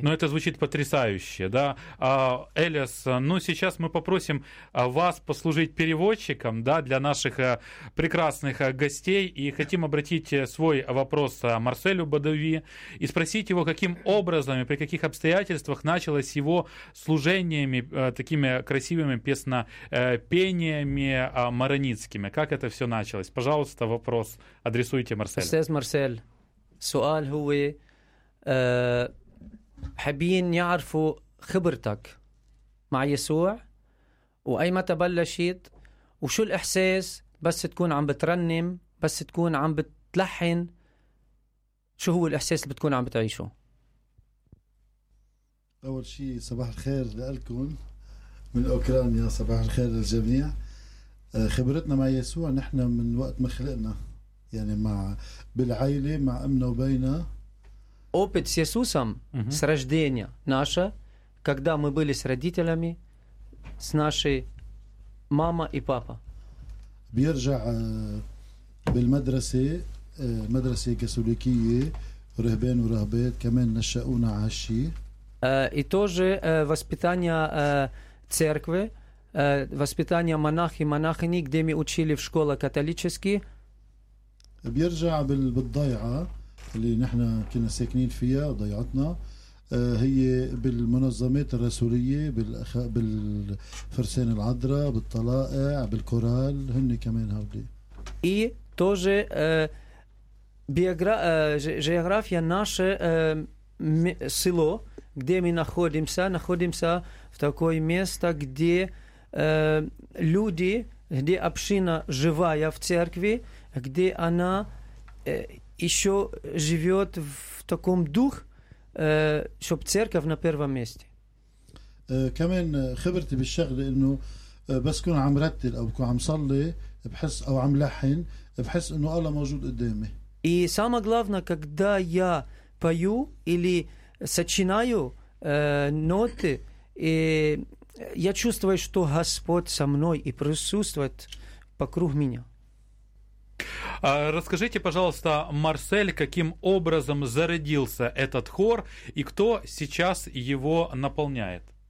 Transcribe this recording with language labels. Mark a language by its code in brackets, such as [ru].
[ru] Ну, это звучит потрясающе, да? Элиас, ну, сейчас мы попросим вас послужить переводчиком, да, для наших прекрасных гостей, и хотим обратить свой вопрос Марселю Бадауи и спросить его, каким образом и при каких обстоятельствах началось его служениями, такими красивыми песнопениями маронитскими. Как это все началось? Пожалуйста, вопрос адресуйте Марселю. Сейчас, Марсель, [ar] суаль хуи... حابين يعرفوا خبرتك مع يسوع وأيمتى بلشت وشو الإحساس بس تكون عم بترنم بس تكون عم بتلحن شو هو الإحساس اللي بتكون عم بتعيشه أول شيء صباح الخير لألكم من أوكرانيا صباح الخير للجميع خبرتنا مع يسوع نحن من وقت ما خلقنا يعني مع بالعائلة مع أمنا وبينا [ru] Опыт с Иисусом с рождения наше, когда мы были с родителями, с нашей мамой и папой. [ar] بيرجع بالمدرسة مدرسة كاثوليكية رهبان ورهبات كمان نشأونا على الشيء. [ru] И тоже воспитание церкви воспитание монах и монахини, где мы учили в школе католически. [ar] بيرجع بالضيعة اللي نحنا كنا ساكنين فيها ضيعتنا هي بالمنظمات الرسولية بالفرسان العذراء بالطلائع بالكورال هن كمان هؤلاء. [ru] И тоже география наше село, где мы находимся в такое место, где люди, где община живая в церкви, где она еще живет в таком дух, чтобы церковь на первом месте. [ar] كمان خبرتي بالشغل إنه بس كون عم رتل أو كون عم صلي بحس أو عم لحن بحس إنه الله موجود قدامي. [ru] И самое главное, когда я пою или сочиняю ноты, я чувствую, что Господь со мной и присутствует вокруг меня. Расскажите, пожалуйста, Марсель, каким образом зародился этот хор и кто сейчас его наполняет?